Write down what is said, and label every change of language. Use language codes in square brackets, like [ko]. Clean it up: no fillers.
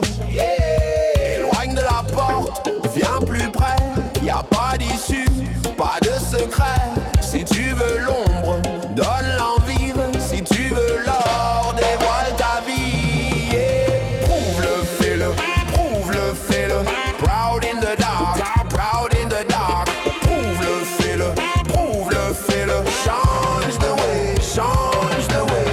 [fr] Yeah. Éloigne de la porte, viens plus près. Y a pas d'issue, pas de secret. Si tu veux l'ombre, donne l'envie. Si tu veux l'or, dévoile ta vie. Yeah. Prouve le fil, prouve le fil. [en] Proud in the dark, proud in the dark. [fr] Prouve le fil, prouve le fil. [en] Change the way, change the way.